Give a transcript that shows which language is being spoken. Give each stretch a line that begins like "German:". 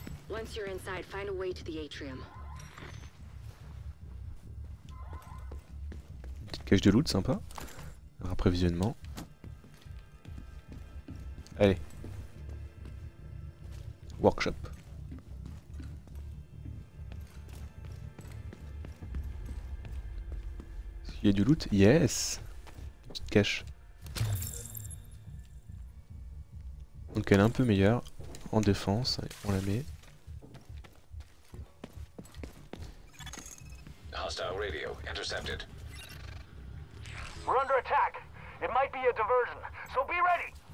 English: Once you're inside, find a way to the atrium.
French: Une petite cache de loot sympa. Un rapprévisionnement. Allez.
English: Workshop.
French: Il y a du loot,
English: yes.
French: Petite cache. Donc elle est un peu meilleure en défense, on la met.
English: Hostile radio intercepted. We're under attack. It might be a diversion, so be ready.